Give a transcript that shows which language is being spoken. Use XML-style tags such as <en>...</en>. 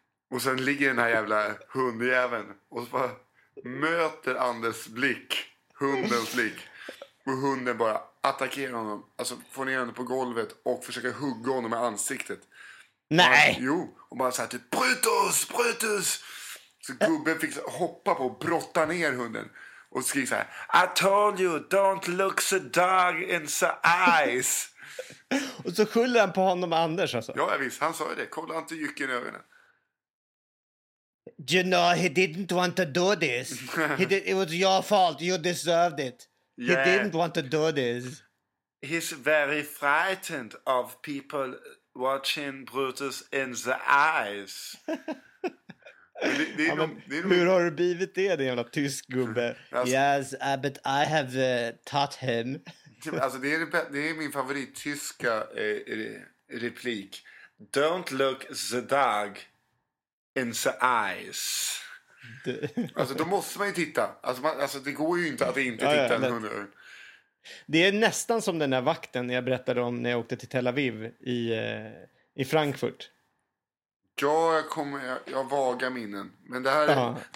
<sv>Och sen ligger den här jävla hundjäveln. Och så bara möter Anders blick. Hundens blick. Och hunden bara attackerar honom. Alltså får ner honom på golvet. Och försöker hugga honom i ansiktet. Nej! Och han, jo, och bara så här typ Brutus, Brutus! Så gubben fick hoppa på och brotta ner hunden. Och skriker så här:</sv> <en>I told you, don't look the dog in the eyes.</en> <sv>Och så skyller han på honom och Anders alltså. Ja, visst. Han sa ju det. Kolla inte jycken i ögonen.</sv> <en>You know, he didn't want to do this. It was your fault. You deserved it. Yeah. He didn't want to do this. He's very frightened of people watching Brutus in the eyes.</en> <sv>Hur har du blivit det, den jävla tysk gubbe?</sv> <en>Yes, but I have taught him.</en> <sv>Alltså, det är min favorit tyska replik.</sv> <en>Don't look the dog in the eyes.</en> <sv>Alltså, då måste man ju titta. Alltså, det går ju inte att inte titta en hund. Det är nästan som den där vakten jag berättade om när jag åkte till Tel Aviv i Frankfurt. Ja, jag vagar minnen. Men det här,</sv>